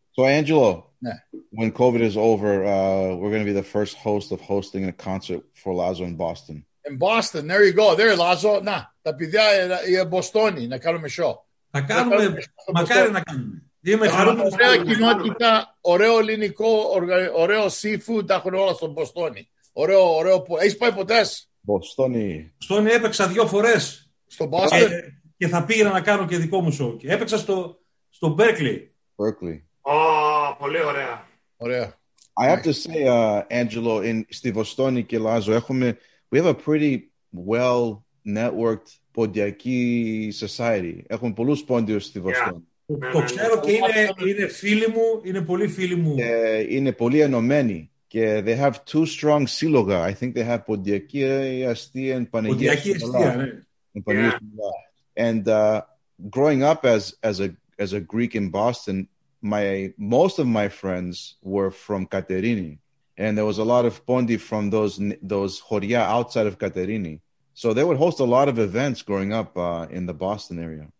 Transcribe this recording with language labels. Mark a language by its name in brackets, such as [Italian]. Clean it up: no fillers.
[English] So, Angelo, when COVID is over, we're going to be the first host of hosting a concert for Lazo in Boston. In Boston, there you go. There, Lazo. [Greek] Nah, τα παιδιά είναι Μποστόνι, να κάνουμε show. Θα κάνουμε, μακάρι να κάνουμε. Είμαι χαρούμενος. Ωραία κοινότητα, ωραίο ελληνικό, ωραίο seafood, τα έχουν όλα στον Μποστόνι. Ωραίο. Έχεις πάει ποτέ? Μποστόνι. Μποστόνι έπαιξα 2 φορές. Στο Boston. Και θα πήγαινα να κάνω και δικό μου show. Και έπαιξα στο Berkeley. Berkeley. Oh, πολύ ωραία. Ωραία. [English] I have to say, Angelo, in [Greek] στη Βοστόνη και Λάζο, [English] we have a pretty well-networked ποντιακή society. [Greek] Έχουμε πολλούς πόντιους στη Βοστόνη. Το ξέρω και είναι φίλοι μου, είναι πολύ φίλοι μου. Είναι πολύ ενωμένοι και [English] they have 2 strong [Greek] σύλλογα. [English] I think they have [Greek] ποντιακή αστεία [English] and [Greek] πανηγύρια. Ποντιακή αστεία, ναι. [English] And growing up as a Greek in Boston, most of my friends were from Katerini, and there was a lot of Pondi from those Horia outside of Katerini. So they would host a lot of events growing up in the Boston area.